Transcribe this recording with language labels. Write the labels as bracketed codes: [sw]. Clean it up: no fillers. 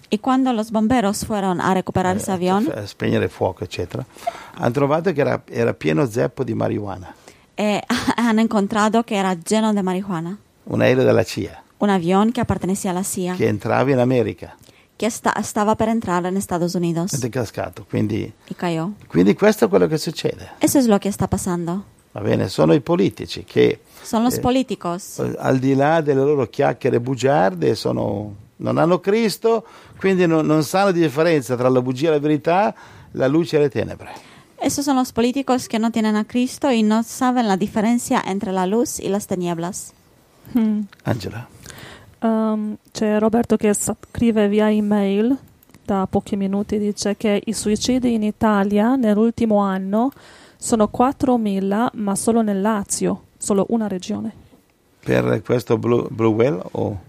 [it] E quando [es] los bomberos fueron a recuperar ese avión? [it] A spegnere fuoco, eccetera. Hanno trovato che era pieno zeppo di marijuana. E hanno incontrato che era pieno di marijuana. Un aereo della CIA. [es] Un avión que pertenecía a la CIA. [it] Che entrava in America. Che stava per entrare negli Stati Uniti. Ed è cascato, quindi. [es] E cayó. [it] Quindi questo è quello che succede. [es] Eso es lo que está pasando. [it] Va bene, sono i politici che sono [es] los políticos. [it] Al di là delle loro chiacchiere bugiarde, non hanno Cristo, quindi non sanno la differenza tra la bugia e la verità, la luce e le tenebre. [es] Esos son los políticos que no tienen a Cristo y no saben la diferencia entre la luz y las tinieblas. [it] Angela. C'è Roberto che scrive via email da pochi minuti, dice che i suicidi in Italia nell'ultimo anno sono 4.000, ma solo nel Lazio, solo una regione. Per questo Blue Whale o?